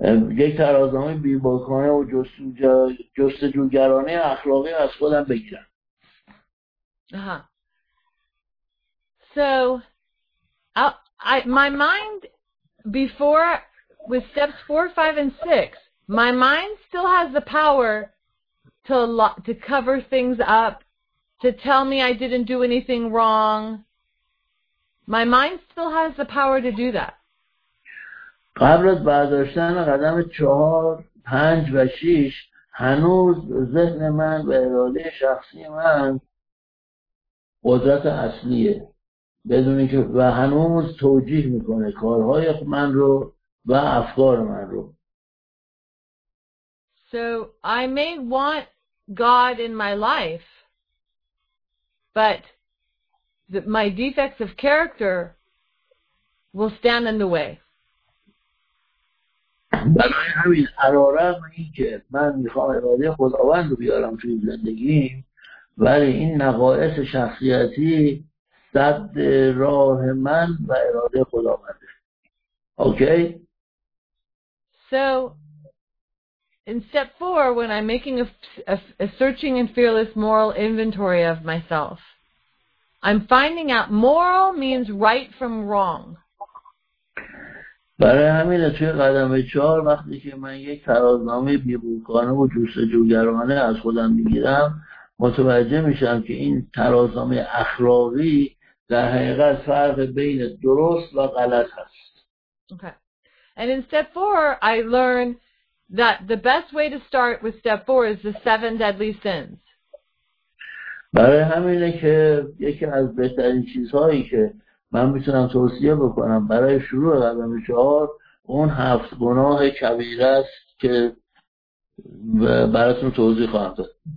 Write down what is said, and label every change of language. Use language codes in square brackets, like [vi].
[fa] یک ترازنامه بیباکانه و جستجوگرانه اخلاقی از خودم بگیرم. آها. [en] So my mind before with steps 4, 5 and 6, my mind still has the power to cover things up, to tell me I didn't do anything wrong. My mind still has the power to do that. [fa] قبل از برداشتن قدم 4, 5 و 6 هنوز ذهن من و اراده شخصی من قدرت اصلیه بدون اینکه و هنوز توجیه میکنه کارهای من رو و افکار من رو. [en] So I may want God in my life, but my defects of character will stand in the way. [fa] برای همین علارغم این که من میخوام اراده خداوند رو بیارم توی زندگیم ولی این نقایص شخصیتی سد راه من و اراده خداونده. [en] Okay? So in step 4 when I'm making a searching and fearless moral inventory of myself I'm finding out moral means right from wrong. [fa] برای همین توی قدم 4 وقتی که من یک ترازنامه بیباکانه و جستجوگرانه از خودم میگیرم متوجه میشم که این ترازنامه اخلاقی در حقیقت فرق بین درست و غلط هست. [en] Okay. And in step 4 I learn that the best way to start with step 4 is the 7 deadly sins. [fa] برای همینه که یکی از بهترین چیزهایی که من میتونم توصیه بکنم برای شروع قدم 4 اون 7 گناه کبیره است که براتون توضیح خواهم داد.